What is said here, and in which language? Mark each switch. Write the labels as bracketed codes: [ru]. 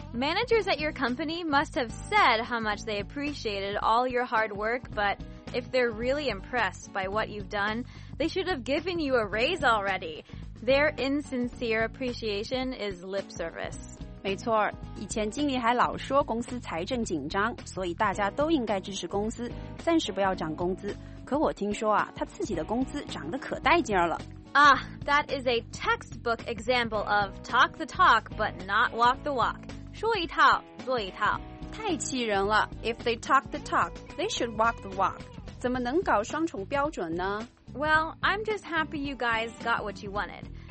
[en] Managers at your company must have said how much they appreciated all your hard work, but if they're really impressed by what you've done, they should have given you a raise already. Their insincere appreciation is lip service. [zh] 没错，以前经理还老说公司财政紧张，所以大家都应该支持公司，暂时不要涨工资。可我听说啊，他自己的工资涨得可带劲了。 [en] Ah, that is a textbook example of talk the talk, but not walk the walk. [zh] 说一套，做一套。太气人了。 [en] If they talk the talk, they should walk the walk. [zh] 怎么能搞双重标准呢？ [en] Well, I'm just happy you guys got what you wanted.